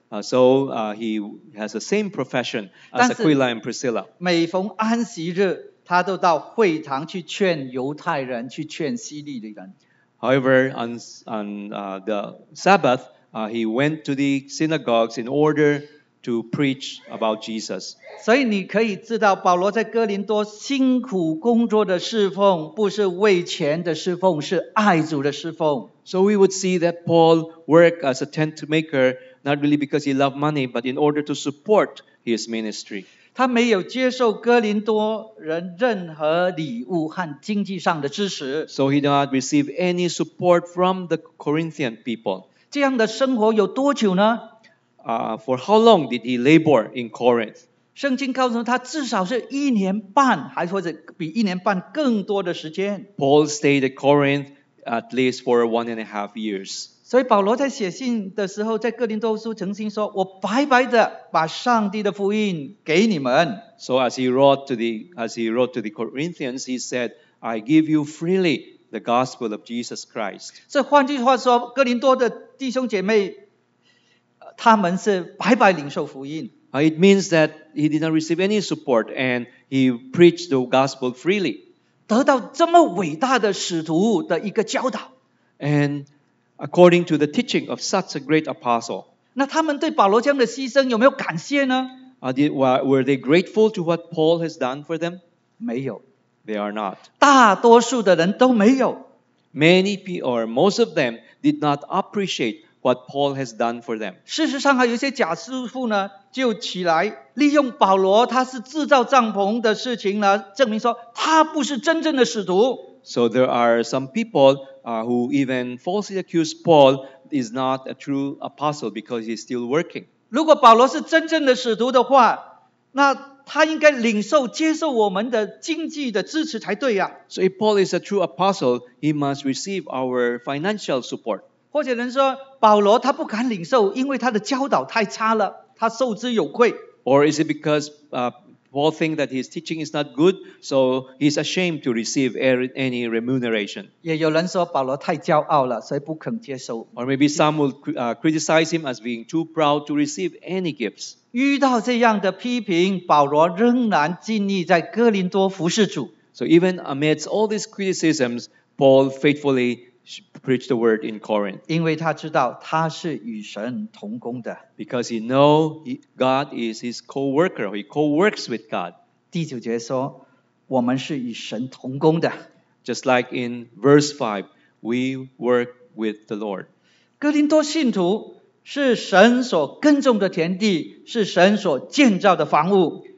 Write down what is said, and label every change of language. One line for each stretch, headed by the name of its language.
English: He has the same profession as Aquila and Priscilla.
Chinese: 每逢安息日，他都到会堂去劝犹太人，去劝希律的人。
English: However, the Sabbath, he went to the synagogues in order to preach about Jesus.
Chinese: 所以你可以知道保罗在哥林多辛苦工作的侍奉不是为钱的侍奉，是爱主的侍奉。
English: So we would see that Paul worked as a tent maker not really because he loved money but in order to support his ministry.
Chinese: 他没有接受哥林多人任何礼物和经济上的支持。
English: So he did not receive any support from the Corinthian people.
Chinese: 这样的生活有多久呢？
English: For how long did he labor in Corinth?
Chinese: 圣经告诉他至少是一年半，还或者比一年半更多的时间。
English: Paul stayed at Corinth at least for 1.5 years.
Chinese: 所以保罗在写信的时候，在哥林多书曾经说：“我白白的把上帝的福音给你们。”
English: So as he wrote to the Corinthians, he said, "I give you freely the gospel of Jesus Christ."
Chinese: 所以换句话说，哥林多的弟兄姐妹。他们是白白领受福音。
English: It means that he did not receive any support and he preached the gospel freely.
Chinese: 得到这么伟大的使徒的一个教导。
English: And according to the teaching of such a great apostle.
Chinese: 那他们对保罗这样的牺牲有没有感谢呢？
English: Were they grateful to what Paul has done for them?
Chinese: 没有。
English: They are not.
Chinese: 大多数的人都没有。
English: Many people, or most of them, did not appreciate what Paul has done for them.
Chinese: 事实上还有一些假师傅呢就起来利用保罗他是制造帐篷的事情呢证明说他不是真正的使徒。
English: So there are some people who even falsely accuse Paul is not a true apostle because he's still working.
Chinese: 如果保罗是真正的使徒的话，那他应该领受接受我们的经济的支持才对啊。
English: So if Paul is a true apostle, he must receive our financial support.
Chinese: 或者人说保罗他不敢领受，因为他的教导太差了，他受之有愧。
English: Or is it because Paul thinks that his teaching is not good, so he's ashamed to receive any remuneration.
Chinese: 也有人说保罗太骄傲了，所以不肯接受。
English: Or maybe some will criticize him as being too proud to receive any gifts.
Chinese: 遇到这样的批评，保罗仍然尽力在哥林多服事主。
English: So even amidst all these criticisms, Paul faithfully preached the word in Corinth.
Chinese: 因为他知道他是与神同工的。
English: Because he knows God is his co-worker, he co-works with God.
Chinese: 第九节说，我们是与神同工的。
English: Just like in verse 5, we work with the Lord.
Chinese: 哥林多信徒是神所耕种的田地，是神所建造的房屋。